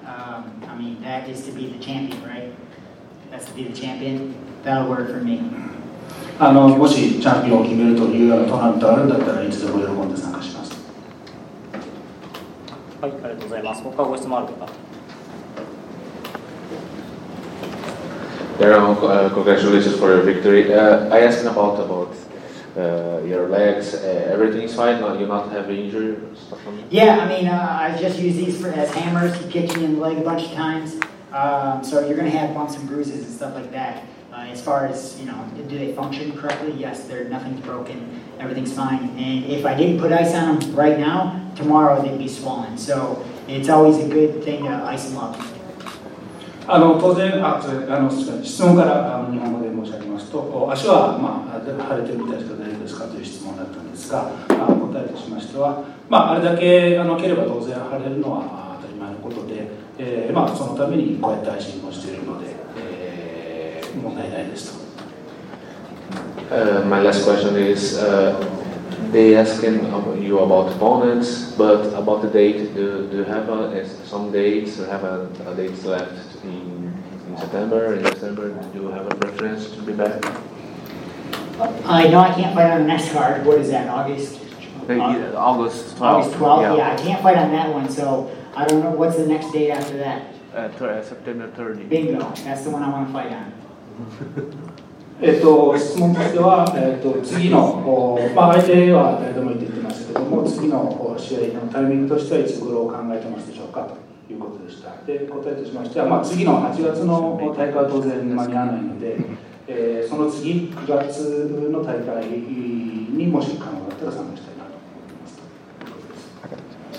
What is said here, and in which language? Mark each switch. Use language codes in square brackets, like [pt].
[en] I mean, that is to be the champion, right? That's to be the champion. That'll work for me. [ja] もしチャンピオンを決めるというようなトーナメントがあるんだったら、いつでも喜んで参加します。はい、ありがとうございます。他ご質問ある方。 [en] Daron, congratulations for your victory. I asked about your legs. Everything is fine. You not have injury or stuff from it? Yeah, I mean, I just use these as hammers to kick me in the leg a bunch of times. So you're going to have bumps and bruises and stuff like that. As far as, you know, do they function correctly? Yes, they're nothing's broken. Everything's fine. And if I didn't put ice on them right now, tomorrow they'd be swollen. So it's always a good thing to ice them up. [ja] 当然、質問から日本語で申し上げますと、足は、腫れてるみたいですか、大丈夫ですかという質問だったんですが、答えとしましては、あれだけ蹴れば当然腫れるのは当たり前のことで、そのためにこうやってアイシングをしているので、問題ないですと。 [en] My last question is, they asking you about opponents, but about the date, do you have some dates, or have a date left? In September, in December, do you have a preference to be back? No, I can't fight on the next card. What is that, August? August 12th. August 12th, yeah. I can't fight on that one, so I don't know. What's the next date after that? September 30th. Bingo. That's the one I want to fight on. [ja] 質問としては、次の、相手は誰でも言ってますけども、次の試合のタイミングとしてはいつ頃を考えてますでしょうかということでした。で、答えとしましては、次の8月の大会は当然間に合わないので、その次、9月の大会にもし可能だったら参加したいなと思います。